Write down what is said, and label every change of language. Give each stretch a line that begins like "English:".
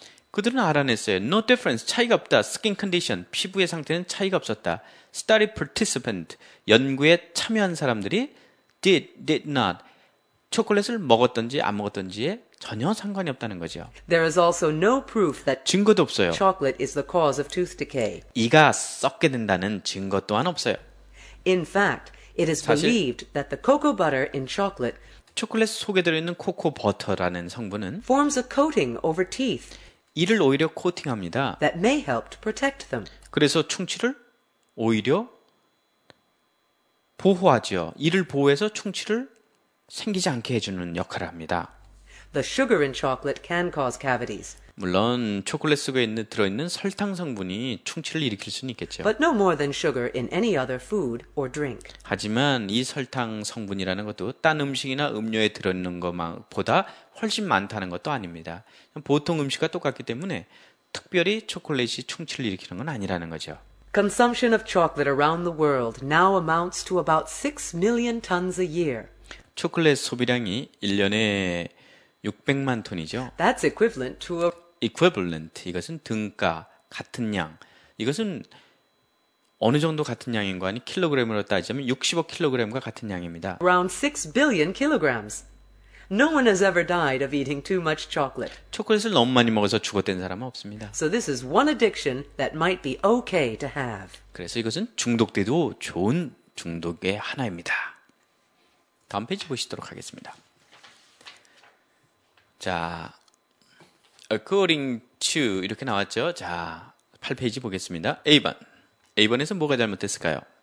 Korean: 그들은 알아냈어요.
English: No difference.
Korean: 차이가 없다.
English: Skin condition.
Korean: 피부의 상태는 차이가 없었다.
English: Study participant.
Korean: 연구에 참여한 사람들이
English: did not.
Korean: 초콜릿을 먹었던지 안 먹었던지에 전혀 상관이 없다는 거죠.
English: There is also no proof that
Korean: 증거도 없어요.
English: Chocolate is the cause of tooth decay.
Korean: 이가 썩게 된다는 증거 또한 없어요.
English: In fact, it is believed that the cocoa butter in chocolate
Korean: 초콜릿 속에 들어있는 코코 버터라는 성분은
English: forms a coating over teeth.
Korean: 이를 오히려 코팅합니다.
English: That may help to protect them.
Korean: 그래서 충치를 오히려 보호하죠. 이를 보호해서 충치를 생기지 않게 해주는 역할을 합니다.
English: The sugar in chocolate can cause cavities.
Korean: 물론 초콜릿 속에 있는 들어있는 설탕 성분이 충치를 일으킬 수는 있겠죠.
English: But no more than sugar in any other food or drink.
Korean: 하지만 이 설탕 성분이라는 것도 딴 음식이나 음료에 들어있는 것보다 훨씬 많다는 것도 아닙니다. 보통 음식과 똑같기 때문에 특별히 초콜릿이 충치를 일으키는 건 아니라는 거죠.
English: Consumption of chocolate around the world now amounts to about 6 million tons a year.
Korean: 초콜릿 소비량이 1년에 600만 톤이죠.
English: That's equivalent to a
Korean: equivalent. 이것은 등가, 같은 양. 이것은 어느 정도 같은 양인 거 아니? 킬로그램으로 따지면 60억 킬로그램과 같은 양입니다.
English: Around 6 billion kilograms. No one has ever died of eating too much chocolate.
Korean: 초콜릿을 너무 많이 먹어서 죽었던 사람은 없습니다.
English: So this is one addiction that might be okay to have.
Korean: 그래서 이것은 중독돼도 좋은 중독의 하나입니다. 다음 페이지 보시도록 하겠습니다. 자,
English: according to
Korean: 이렇게 나왔죠. 자, 8페이지 보겠습니다. A번. A번에서 뭐가 잘못됐을까요?